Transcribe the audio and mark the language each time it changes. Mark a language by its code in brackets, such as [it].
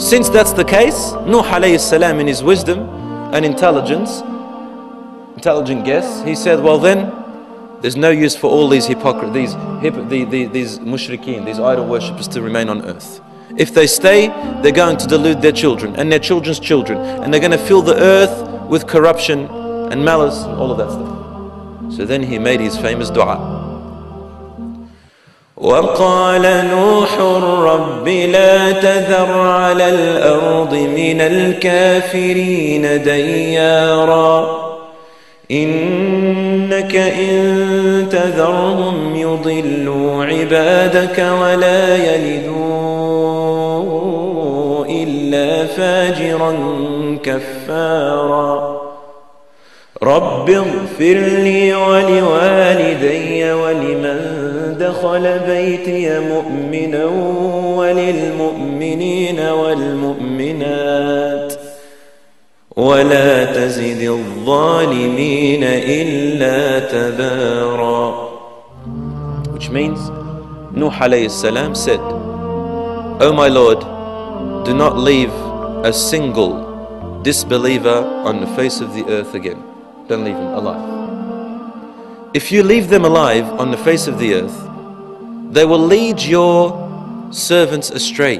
[en] Since that's the case, Nuh alayhi salam, in his wisdom and intelligent guess, he said, well then, there's no use for all these these mushrikeen, these idol worshippers, to remain on earth. If they stay, they're going to delude their children and their children's children, and they're going to fill the earth with corruption and malice and all of that stuff. So then he made his famous dua. [ar] وَقَالَ نُوحُ الرَّبِّ لَا تَذَرْ عَلَى الْأَرْضِ مِنَ الْكَافِرِينَ دَيَّارًا إِنَّكَ إِن تَذَرْهُمْ يُضِلُّوا عِبَادَكَ وَلَا يَلِدُوا إِلَّا فَاجِرًا كَفَّارًا رب اغفر لي ولوالدي ولمن دخل بيتي مؤمنا وللمؤمنين والمؤمنات ولا تزد الظالمين إلا تبارا. [en] Which means, Nuh alayhi salam said, O my Lord, do not leave a single disbeliever on the face of the earth again. Don't leave him alive. If you leave them alive on the face of the earth, they will lead your servants astray.